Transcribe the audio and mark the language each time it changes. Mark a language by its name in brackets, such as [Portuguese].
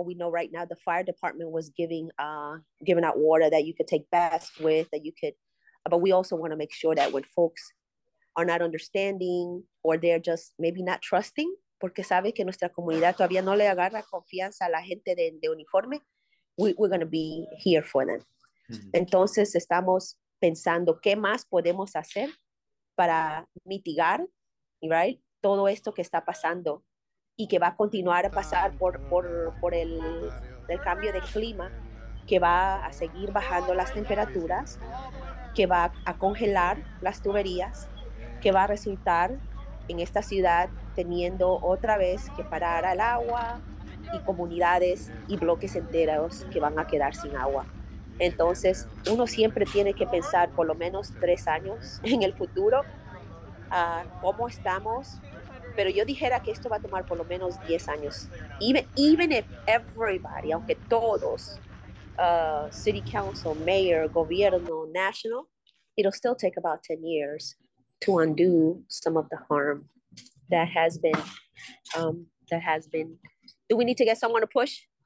[English] We know right now the fire department was giving out water that you could take baths with, that you could, but we also want to make sure that when folks are not understanding or they're just maybe not trusting, [Spanish] porque sabe que nuestra comunidad todavía no le agarra confianza a la gente de uniforme, [English] we're going to be here for them. [Spanish] Entonces estamos pensando qué más podemos hacer para mitigar, right, todo esto que está pasando y que va a continuar a pasar por el cambio de clima, que va a seguir bajando las temperaturas, que va a congelar las tuberías, que va a resultar en esta ciudad teniendo otra vez que parar al agua y comunidades y bloques enteros que van a quedar sin agua. Entonces, uno siempre tiene que pensar por lo menos 3 años en el futuro, cómo estamos. Pero yo dijera que esto va a tomar por lo menos 10 años. [English] Even if everybody, [Spanish] aunque todos, [English] city council, mayor, gobierno, national, it'll still take about 10 years to undo some of the harm that has been, do we need to get someone to push?